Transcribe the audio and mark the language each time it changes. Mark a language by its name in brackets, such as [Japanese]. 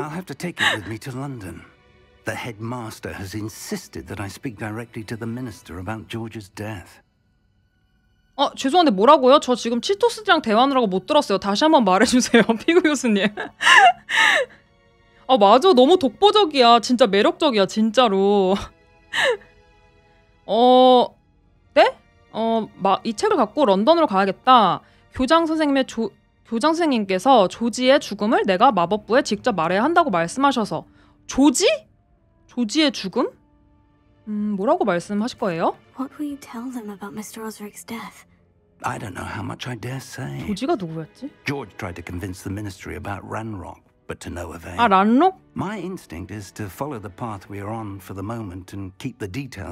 [English] I'll have to take it with me to London. The headmaster has insisted that I speak directly to the minister about George's death. [Korean] 어, 죄송한데 뭐라고요? 저 지금 치토스랑 대화하느라고 못 들었어요. 다시 한번 말해주세요, 피그 교수님. 어, 맞아. 너무 독보적이야. 진짜 매력적이야, 진짜로. 어, 네? 어, 이 책을 갖고 런던으로 가야겠다. 교장 선생님의 교장선생님께서 조지의 죽음을 내가 마법부에 직접 말해야 한다고 말씀하셔서 조지? 조지의 죽음? 뭐라고 말씀하실 거예요? [English] What will you tell them about Mr. Osric's death? I don't know how much I dare say. [Korean] 조지가 누구였지? [English] George tried to convince the ministry about Ranrok, but to no avail. [Korean] 아, 란록? [English] My instinct is to follow the path we are on for the moment and keep the details